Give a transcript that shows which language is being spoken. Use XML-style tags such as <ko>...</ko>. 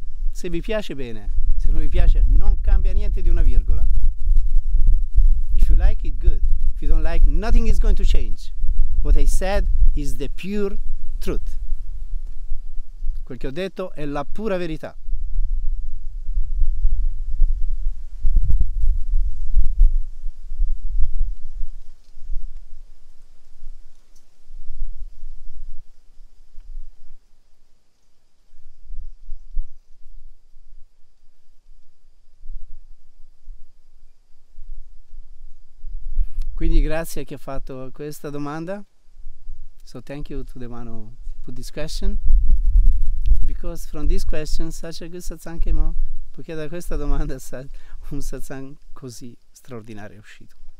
<it>Se vi piace bene, se non vi piace non cambia niente di una virgola.</it> <en>If you like it, good. If you don't like, nothing is going to change. What I said is the pure truth.</en> <it>Quel che ho detto è la pura verità. Quindi grazie a chi ha fatto questa domanda.</it> <en>So thank you to the one who put this question. Because from this question such a good satsang came out.</en> <it>Perché da questa domanda un satsang così straordinario è uscito.</it>